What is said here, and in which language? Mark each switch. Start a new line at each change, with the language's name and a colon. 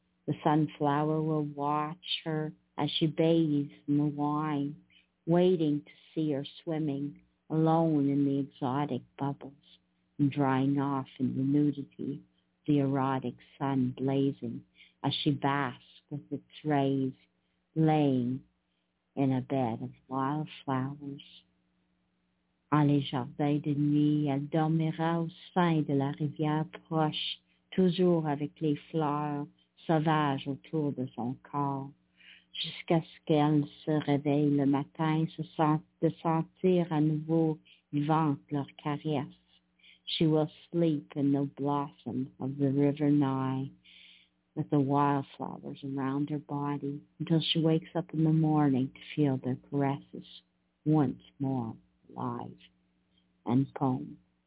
English: The sunflower will watch her as she bathes in the wine, waiting to see her swimming alone in the exotic bubbles and drying off in the nudity, the erotic sun blazing as she basks with its rays, laying in a bed of wildflowers.
French: À les jardins de nuit, elle dormira au sein de la rivière proche, toujours avec les fleurs sauvages autour de son corps, jusqu'à ce qu'elle se réveille le matin, de sentir à nouveau vivante leur caresse.
English: She will sleep in the blossom of the river Nye, with the wildflowers around her body, until she wakes up in the morning to feel their caresses once more. Live and poem.